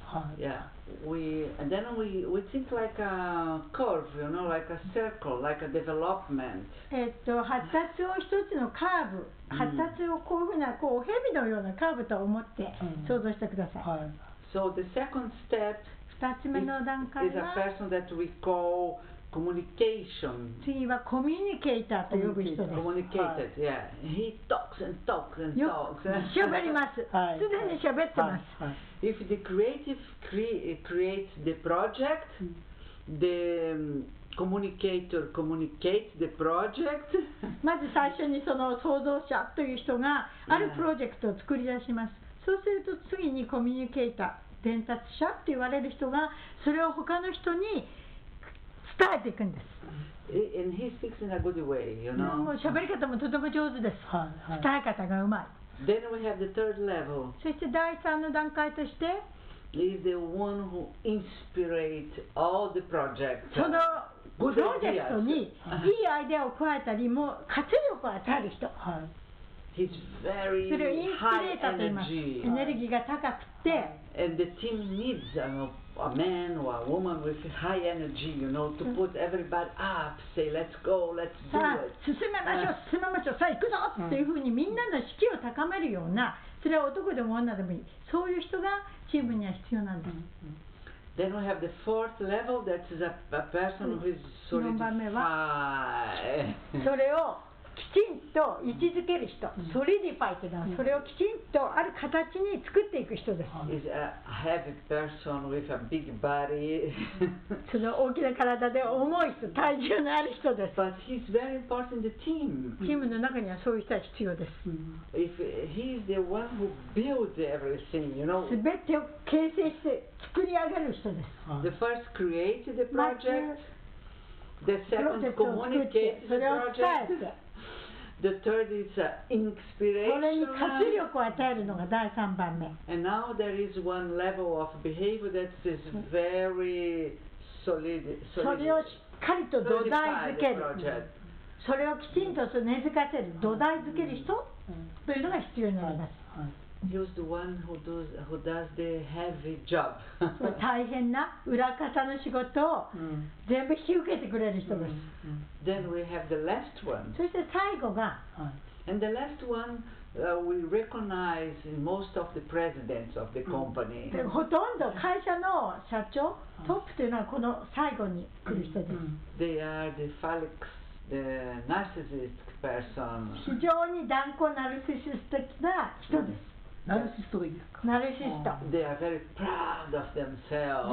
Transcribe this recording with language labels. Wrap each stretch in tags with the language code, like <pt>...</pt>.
<ja>はい、</ja> <en>yeah. We think like a curve, you know, like a circle, like a development.</en> <ja>発達を一つのカーブ、発達をこういうふうなこう蛇のようなカーブと思って想像してください。はい。</ja> <en>So the second step,</en> <ja>二つ目の段階は、</ja> <en>is a person that we call communication.</en> <ja>次はコミュニケーターと呼ぶ人です。</ja> <en>Communicated, yeah. He talks and talks and talks.</en> <ja>喋ります。はい。常に喋ってます。はい。</ja> <en>If the creative creates the project, the communicator communicates the project.</en> <ja>まず最初にその創造者という人があるプロジェクトを作り出します。そうすると次にコミュニケーター、伝達者って言われる人がそれを他の人に伝えていくんです。</ja> <en>And he speaks in a good way, you know.</en> <ja>喋り方もとても上手です。伝え方がうまい。</ja> <en>Then we have the third level.</en> <ja>そして第3の段階として、</ja> <en>is the one who inspirates all the projects.</en> <ja>そのプロジェクトにいいアイデアを加えたり、もう活力を与える人。はい。</ja> <en>He's very high energy.</en> <ja>それをインスピレーターと言います。エネルギーが高くて。</ja> <en>And the team needs a man or a woman with high energy, you know, to put everybody up, say, let's go, let's do it.</en> <ja>さあ、進めましょう、進めましょう、さあ行くぞっていうふうにみんなの士気を高めるような、それは男でも女でもいい、そういう人がチームには必要なんです。</ja> <en>Then we have the fourth level, that is a person who is solidified. 4</en> <ja>番目は、それをきちんと位置づける人、solidify というのは、それをきちんとある形に作っていく人です。</ja> <en>Is a heavy person with a big body.</en> <ja>その大きな体で重い人、体重のある人です。</ja> <en>But he's very important in the team.</en> <ja>チームの中にはそういう人は必要です。</ja> <en>If he's the one who builds everything, you know.</en> <ja>全てを形成して作り上げる人です。</ja> <en>The first creates the project. The second communicates the project. The third is inspiration.</en> <ja>それに活力を与えるのが第3番目。</ja> <en>And now there is one level of behavior that is very solid.</en> <ja>それをしっかりと土台付ける。それをきちんと根付かせる、土台付ける人というのが必要になります。</ja> <en>He's the one who does the heavy job.</en> <ja>大変な裏方の仕事を全部引き受けてくれる人です。</ja> <en>Then we have the last one.</en> <ja>そして最後が、</ja> <en>And the last one, we recognize in most of the presidents of the company.</en> <ja>ほとんど会社の社長、トップというのはこの最後に来る人です。</ja> <en>They are the phallic, the narcissistic person.</en> <ja>非常に断固ナルシシスト的な人です。ナルシストがいいですか？ナルシスト。</ja> <en>They are very proud of themselves.</en>